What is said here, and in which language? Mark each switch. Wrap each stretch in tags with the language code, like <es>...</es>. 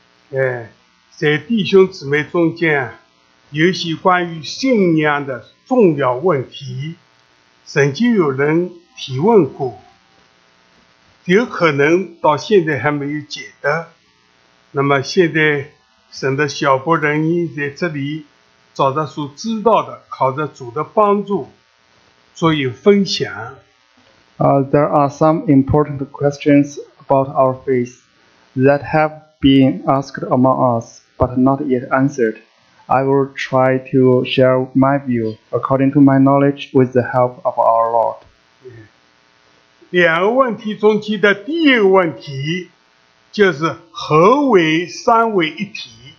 <zh>在弟兄姊妹中间，有些关于信仰的重要问题，曾经有人提问过，有可能到现在还没有解的。那么现在神的小仆人已经在这里。找到所知道的，靠着主的帮助，所以分享。</zh> <en>There are some important questions about our faith that have been asked among us, but not yet answered. I will try to share my view according to my knowledge with the help of our Lord.</en> <zh>两个问题中期的第一个问题就是何为三位一体。</zh>